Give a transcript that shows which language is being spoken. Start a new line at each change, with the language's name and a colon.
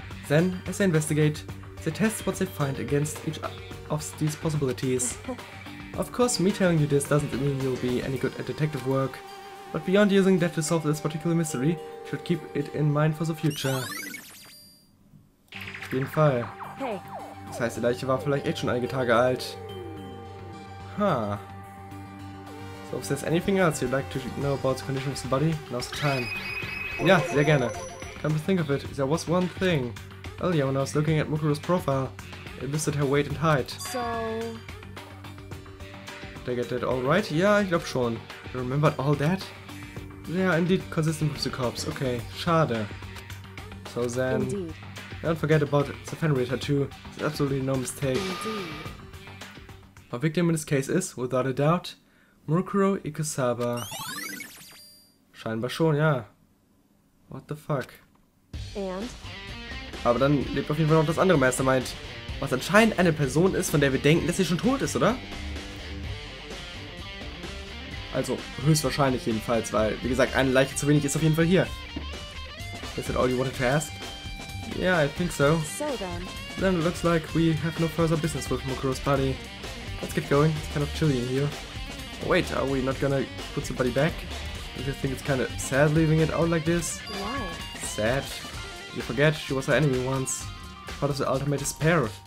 English: Then, as they investigate, they test what they find against each of these possibilities. Of course, me telling you this doesn't mean you'll be any good at detective work. But beyond using that to solve this particular mystery, you should keep it in mind for the future.
German: Auf jeden Fall.
English: Hey.
German: Das heißt, die Leiche war vielleicht echt schon einige Tage alt. Huh.
English: So, if there's anything else you'd like to know about the condition of the body, now's the time.
German: Ja, sehr gerne.
English: Come to think of it, there was one thing. Earlier, when I was looking at Mokuro's profile, it listed her weight and height. So... Did I get that all right?
German: Ja, ich glaub schon.
English: You remembered all that? They are indeed consistent with the corpse.
German: Okay, schade.
English: So then... Indeed. Don't forget about the Fenrir tattoo. It's absolutely no mistake. Indeed. Our victim in this case is, without a doubt, Mokuro Ikusaba.
German: Scheinbar schon, ja.
English: What the fuck? And?
German: Aber dann lebt auf jeden Fall noch das andere Mastermind. Was anscheinend eine Person ist, von der wir denken, dass sie schon tot ist, oder? Also, höchstwahrscheinlich jedenfalls, weil, wie gesagt, eine Leiche zu wenig ist auf jeden Fall hier.
English: Is that all you wanted to ask? Yeah, I think so. So then. Then it looks like we have no further business with Mokuro's body. Let's get going, it's kind of chilly in here. Oh, wait, are we not gonna put somebody back? Do you think it's kind of sad leaving it out like this? Why? Sad? You forget, she was her enemy once. Part of the ultimate despair.